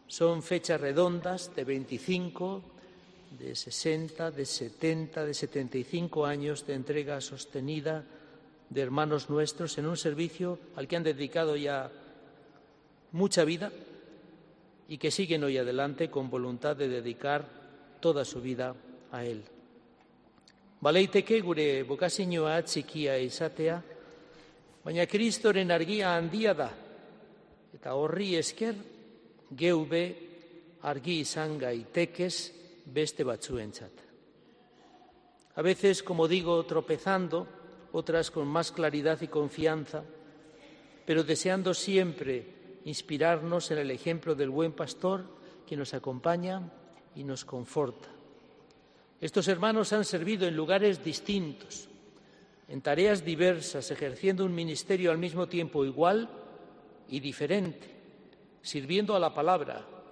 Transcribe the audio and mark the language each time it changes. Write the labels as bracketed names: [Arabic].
[Spanish] Son fechas redondas de 25, de 60, de 70, de 75 años de entrega sostenida de hermanos nuestros en un servicio al que han dedicado ya mucha vida y que siguen hoy adelante con voluntad de dedicar toda su vida a él. [Basque] Baleiteke gure bokazioa txikia izatea, baina Kristoren argia handia da, eta horri esker geube argi izan gaitekez beste batzuentzat. [Spanish] A veces, como digo, tropezando, otras con más claridad y confianza, pero deseando siempre inspirarnos en el ejemplo del buen pastor que nos acompaña y nos conforta. Estos hermanos han servido en lugares distintos, en tareas diversas, ejerciendo un ministerio al mismo tiempo igual y diferente, sirviendo a la palabra,